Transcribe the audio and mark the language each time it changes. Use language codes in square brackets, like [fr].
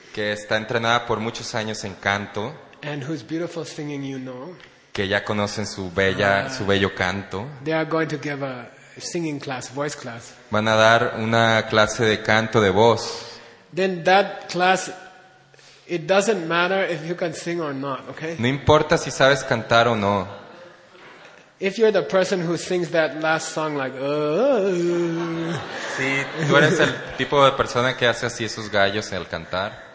[es] Que está entrenada por muchos años en canto. [en] And whose beautiful singing you know? [es] Que ya conocen su bella, su bello canto. [en] They are going to give a singing class, voice class. [es] Van a dar una clase de canto de voz. [en] Then that class, it doesn't matter if you can sing or not, okay? [es] No importa si sabes cantar o no. [en] If you're the person who sings that last song like [es] Sí, tú eres el tipo de persona que hace así esos gallos en el cantar.